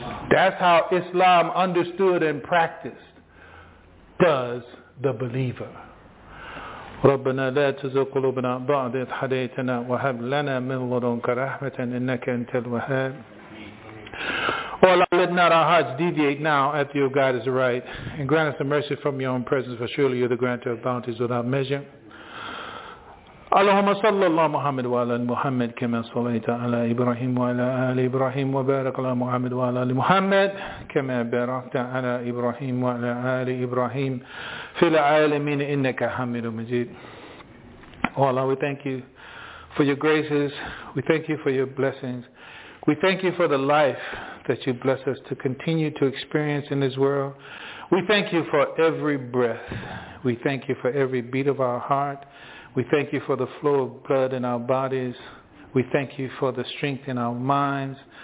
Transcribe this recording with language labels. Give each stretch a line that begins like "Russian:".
English: That's how Islam understood and practiced does the believer.
Arabic: ربنا لا تزغ قلوبنا بعد إذ هديتنا وهب لنا من لدنك رحمة إنك أنت الوهاب.
English: Well, Allah, let not our hearts deviate now after your guidance is right, and grant us the mercy from your own presence, for surely you're the grantor of bounties without measure.
Arabic: اللهم صل على محمد وعلى محمد كما صليت على إبراهيم وعلى آل إبراهيم وبارك على محمد وعلى آل محمد كما باركت على إبراهيم وعلى آل إبراهيم في العالمين إنك حميد مجيد.
English: Oh Allah, we thank you for your graces. We thank you for your blessings. We thank you for the life that you bless us to continue to experience in this world. We thank you for every breath. We thank you for every beat of our heart. We thank you for the flow of blood in our bodies. We thank you for the strength in our minds.